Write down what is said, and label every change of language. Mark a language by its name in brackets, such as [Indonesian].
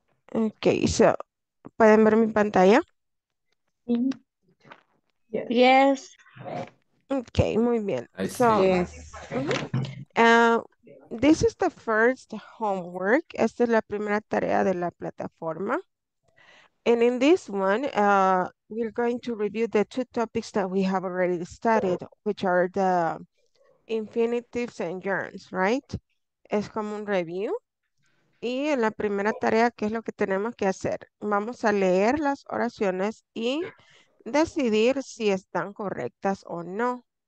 [Spanish] Ok, so, ¿pueden ver mi pantalla? [English] Yes. [Spanish] Okay, muy bien. [English] I So, see. this is the first homework. [Spanish] Esta es la primera tarea de la plataforma. [English] And in this one, we're going to review the two topics that we have already studied, which are the infinitives and gerunds, right? [Spanish] Es como un review. Y en la primera tarea, ¿qué es lo que tenemos que hacer? Vamos a leer las oraciones y decidir si están correctas o no.